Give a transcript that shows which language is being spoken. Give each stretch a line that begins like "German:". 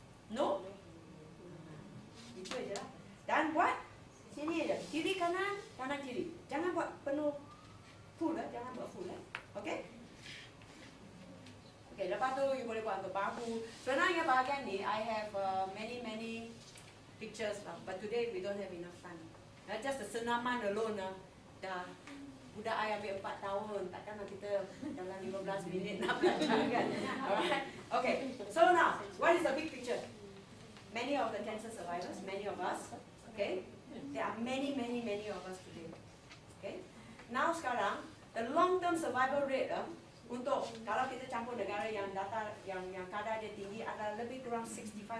Malay: No? Itu aja lah. Dan buat sini aja. Kiri kanan, kanan kiri. Jangan buat penuh full lah. Jangan buat full lah. Okay? Okay, lepas tu you boleh buat untuk bahu. Sebenarnya bahagian ni,
English: I have many pictures lah. But today we don't have enough time. That's just the senaman alone lah.
Malay: Dah budak saya ambil 4 tahun, takkanlah kita dalam 15 minit nak belajar kan? Alright, okay.
English: So now, what is the big picture? Many of the cancer survivors, many of us, okay? There are many of us today, okay?
Malay: Now sekarang,
English: the long-term survival rate
Malay: untuk kalau kita campur negara yang data yang kadar dia tinggi adalah lebih kurang 65%.